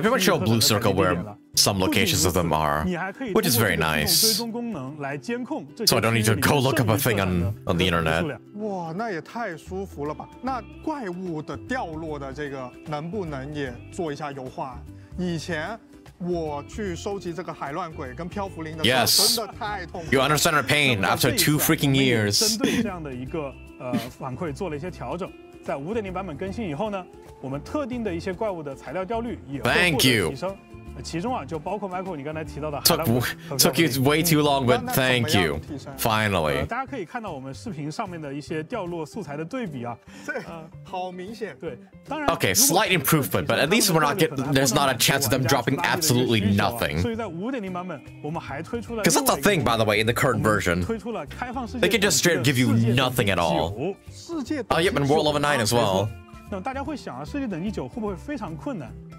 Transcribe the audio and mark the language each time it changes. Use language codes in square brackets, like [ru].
[en] pretty much show a blue circle where some locations of them are, which is very nice. So I don't need to go look up a thing on the internet. [zh] 哇，那也太舒服了吧！那怪物。的掉落的这个能不能也做一下优化？以前我去收集这个海乱鬼跟漂浮灵的时候，真的太痛苦。 [en] Yes. You understand our pain after two freaking years. [zh] 针对这样的一个反馈做了一些调整，在5.0版本更新以后呢，我们特定的一些怪物的材料掉率也会获得提升。 [en] Thank you. took you way too long, but thank you. Finally. [zh] 大家可以看到我们视频上面的一些掉落素材的对比啊。好明显。对，当然。 [en] Okay, slight improvement, but at least we're not there's not a chance of them dropping absolutely nothing. [zh] 所以在5.0版本，我们还推出了。 [en] Because that's the thing, by the way, in the current version. [zh] 推出了开放世界。 [en] They can just straight up give you nothing at all. [zh] 世界。 [en] Yep, and World Level 9 as well. [zh] 那大家会想啊，世界等级九会不会非常困难？